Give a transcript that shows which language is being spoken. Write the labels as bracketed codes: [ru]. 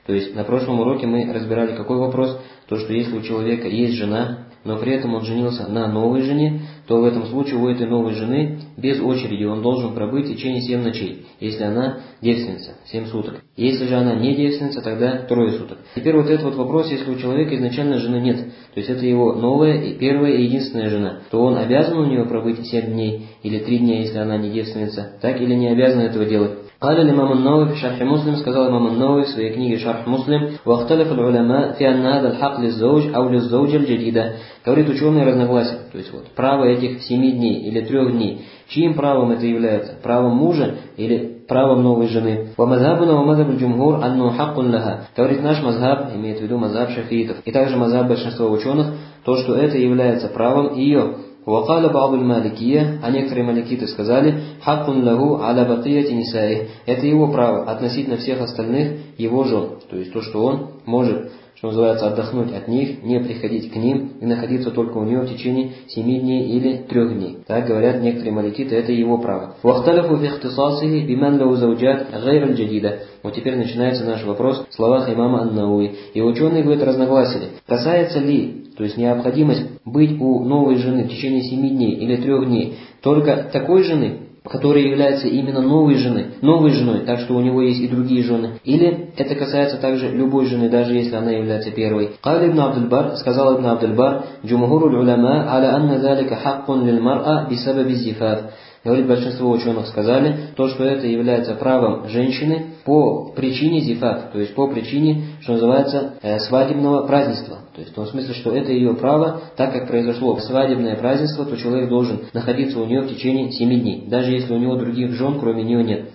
[ru] То есть на прошлом уроке мы разбирали какой вопрос, то что если у человека есть жена, но при этом он женился на новой жене, то в этом случае у этой новой жены без очереди он должен пробыть в течение 7 ночей, если она девственница, 7 суток. Если же она не девственница, тогда 3 суток. Теперь вот этот вот вопрос: если у человека изначально жены нет, то есть это его новая и первая и единственная жена, то он обязан у нее пробыть 7 дней или 3 дня, если она не девственница, так или не обязан этого делать? [ar] قال الإمام النووي في شرح مسلم [ru] сказал [ar] الإمام النووي في [ru] книге [ar] شرح مسلم واختلف العلماء في أن هذا الحق للزوج أو للزوجة الجديدة. [ru] Говорит, ученые разногласят, то есть вот право этих 7 дней или 3 дней, чьим правом это является, правом мужа или правом новой жены. [ar] وَمَذْهَبُنَا وَمَذْهَبُ الْجُمْهُورِ أَنَّهُ حَقٌّ لَهَا. [ru] Говорит, наш мазхаб, имеет в виду мазхаб шафиитов, и также мазхаб большинства ученых, то что это является правом ее. [ar] وقال بعض المالكية, [ru] а некоторые маликиты сказали, [ar] حق له على بقية نسائه, [ru] это его право относительно всех остальных его жен, то есть то, что он может, что называется, отдохнуть от них, не приходить к ним и находиться только у нее в течение 7 дней или 3 дней. Так говорят некоторые маликиты, это его право. [ar] واختلفوا في اختصاصه بمن له زوجات غير الجديدة. [ru] Вот теперь начинается наш вопрос в словах имама ан-Науи. И ученые, говорят, разногласили, касается ли, то есть необходимость быть у новой жены в течение 7 дней или 3 дней только такой жены, которая является именно новой жены, новой женой, так что у него есть и другие жены. Или это касается также любой жены, даже если она является первой. [ar] قال ابن عبد البر, [ru] сказал [ar] ابن عبد البر, جمهور العلماء على أن ذلك حق للمرأة بسبب الزفاف. [ru] Говорит, большинство ученых сказали, то, что это является правом женщины по причине зифаф, то есть по причине, что называется, свадебного празднества. То есть в том смысле, что это ее право, так как произошло свадебное празднество, то человек должен находиться у нее в течение 7 дней, даже если у него других жен, кроме нее, нет.